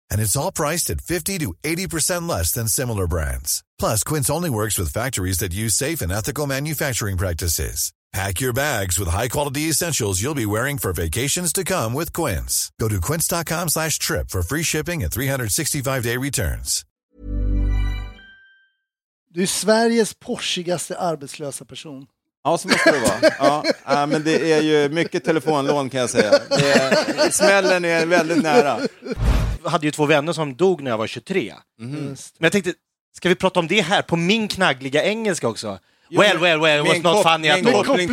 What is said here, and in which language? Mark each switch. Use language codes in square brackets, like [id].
[en] And it's all priced at 50 to 80% less than similar brands. Plus, Quince only works with factories that use safe and ethical manufacturing practices. Pack your bags with high-quality essentials you'll be wearing for vacations to come with Quince. Go to quince.com/trip for free shipping and 365-day returns. [sv] Du är Sveriges porsigaste arbetslösa person. Ja, så måste det vara. Ja, men det är ju mycket telefonlån kan jag säga. Det är, smällen är väldigt nära. Jag hade ju två vänner som dog när jag var 23. Mm. Men jag tänkte, ska vi prata om det här på min knaggliga engelska också? [en] Well, it was not funny at all.